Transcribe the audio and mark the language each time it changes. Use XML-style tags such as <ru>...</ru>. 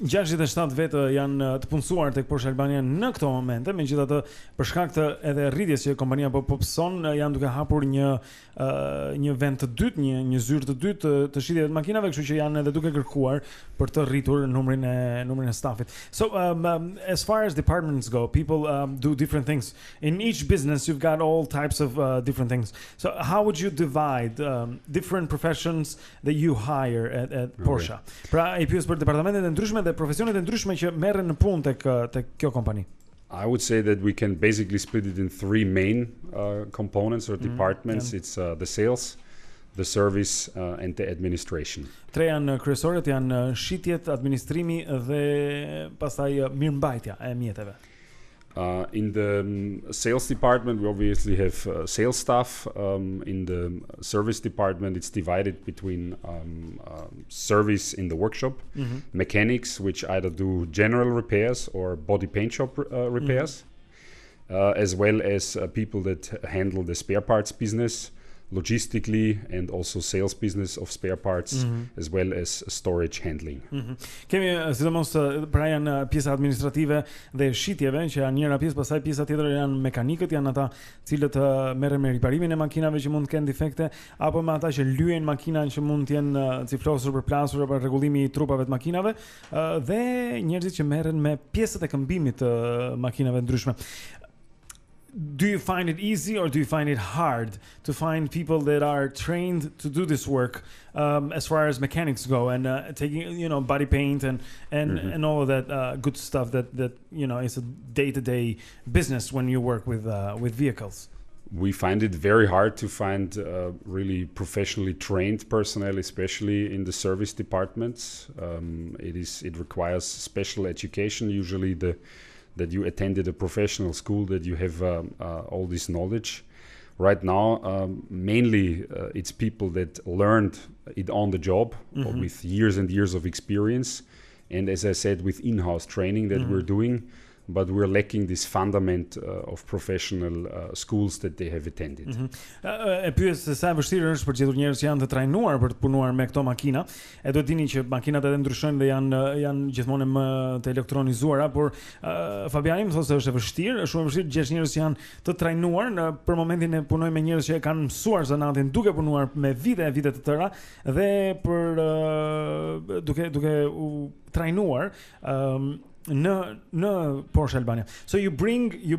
<sq>67 vetë janë të punësuar tek Porsche Albania në këto momente, megjithatë për shkak të edhe rritjes që kompania po pson, janë duke hapur një vend të dytë, një zyrë të dytë të shitjeve të makinave, kështu që janë edhe duke kërkuar për të rritur numrin e stafit.</sq> <en>So as far as departments go, people do different things. In each business you've got all types of different things. So how would you divide different professions that you hire at Porsche? Okay.</en> <sq>Pra e pyes për departamentet ndryshme dhe profesionet e ndryshme që merren në punë tek kjo kompani.</sq> <en>I would say that we can basically split it in three main components or departments. Mm-hmm. It's the sales, the service and the administration. Tre janë kryesorët, janë shitjet, administrimi dhe pastaj mirëmbajtja e mjeteve. In the sales department we obviously have sales staff. In the service department it's divided between service in the workshop, mm-hmm. mechanics which either do general repairs or body paint shop repairs, mm-hmm. As well as people that handle the spare parts business logistically and also sales business of spare parts, mm-hmm. as well as storage handling. Mm-hmm.</en> <sq>Kemi sidomos pra janë pjesa administrative dhe shitjeve që janë njëra pjesë, pastaj pjesa tjetër janë mekanikët, janë ata cilët merren me riparimin e makinave që mund të kenë defekte apo me ata që lyejn makinën që mund të jenë ciflosur, përplasur apo rregullimi i trupave të makinave, dhe njerëzit që merren me pjesët e këmbimit të makinave ndryshme.</sq> <en>Do you find it easy or do you find it hard to find people that are trained to do this work as far as mechanics go and taking, you know, body paint and mm-hmm. and all of that good stuff that you know is a day-to-day business when you work with vehicles? We find it very hard to find really professionally trained personnel, especially in the service departments. It requires special education, usually that you attended a professional school, that you have all this knowledge. Right now, mainly it's people that learned it on the job, mm-hmm. or with years and years of experience. And as I said, with in-house training that mm-hmm. we're doing, but we're lacking this fundament of professional schools that they have attended.</en> <sq>E pyet se sa e vështirë është për gjetur njerëz që janë të trajnuar për të punuar me këto makina. E duhet dini që makinat edhe ndryshojnë dhe janë gjithmonë më të elektronizuara, por Fabiani më thosë se është e vështirë, është shumë e vështirë gjesh njerëz që janë të trajnuar. Në për momentin e punoj me njerëz që kanë mësuar zanatin duke punuar me vite e vite të tëra dhe për duke u trajnuar no Porsche Albania.</sq> <en>So you bring</en>